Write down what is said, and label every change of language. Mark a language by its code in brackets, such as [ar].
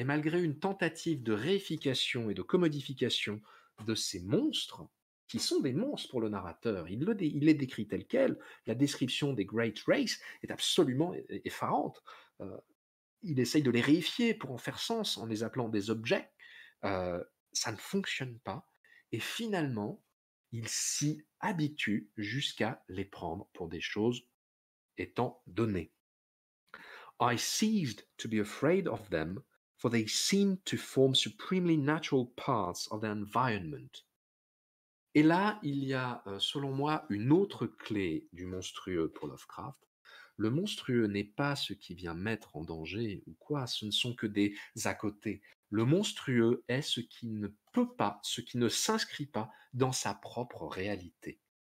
[fr] Et malgré une tentative de réification et de commodification de ces monstres, qui sont des monstres pour le narrateur, il les décrit tel quel, la description des Great Race est absolument effarante. Il essaye de les réifier pour en faire sens en les appelant des objets. Ça ne fonctionne pas. Et finalement, il s'y habitue jusqu'à les prendre pour des choses étant données. [en] I ceased to be afraid of them, for they seemed to form supremely natural parts of their environment. [fr] Et là, il y a, selon moi, une autre clé du monstrueux pour Lovecraft. Le monstrueux n'est pas ce qui vient mettre en danger ou quoi, ce ne sont que des à côté. Le monstrueux est ce qui ne peut pas, ce qui ne s'inscrit pas dans sa propre réalité.